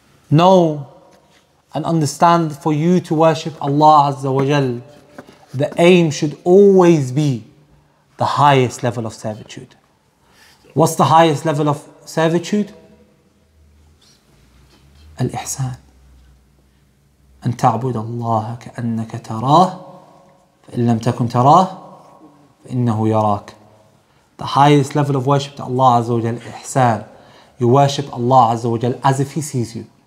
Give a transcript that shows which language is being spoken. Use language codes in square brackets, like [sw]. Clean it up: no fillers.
[en] Know and understand, for you to worship Allah Azza wa Jal, the aim should always be the highest level of servitude. What's the highest level of servitude? Al-ihsan. [ar] أن تعبد الله كأنك تراه فإن لم تكن تراه فإنه يراك. [en] The highest level of worship to Allah Azza wa Jal, إحسان. You worship Allah Azza wa Jal as if He sees you.